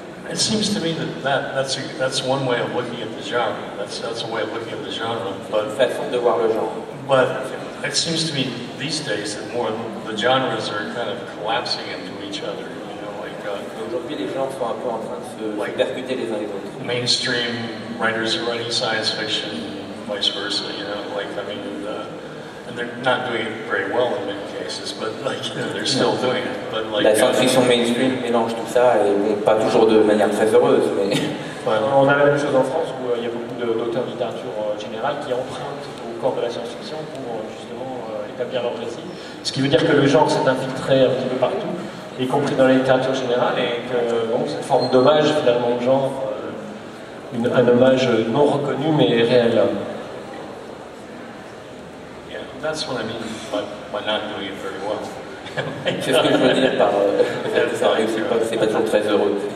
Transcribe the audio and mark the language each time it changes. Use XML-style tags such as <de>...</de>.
<en>It seems to me that's one way of looking at the genre. That's a way of looking at the genre. But</en> <fr>façon de voir le genre.</fr> <en>But it seems to me these days that more the genres are kind of collapsing into each other. You know, like</en> <fr>aujourd'hui les genres sont un peu en train de se like percuter les uns les autres.</fr> <en>Mainstream writers are writing science fiction, vice versa, you know, like, I mean, and they're not doing it very well in many cases, but, like, you know, they're still doing it, but, like...</en> <fr>La science fiction mainstream mélange tout ça, et bon, pas toujours de manière très heureuse, mais... On a la même chose en France, où il y a beaucoup d'auteurs de littérature générale qui empruntent au corps de la science fiction pour, justement, établir leur récit. Ce qui veut dire que le genre s'est infiltré un petit peu partout, y compris dans la littérature générale, et que, bon, cette forme d'hommage, finalement, au genre... Un hommage non reconnu mais réel.</fr> <en>Yeah, that's what I mean by not doing it very well.</en> <fr>Qu'est-ce que je veux dire par ça réussit pas, c'est pas toujours très heureux.</fr>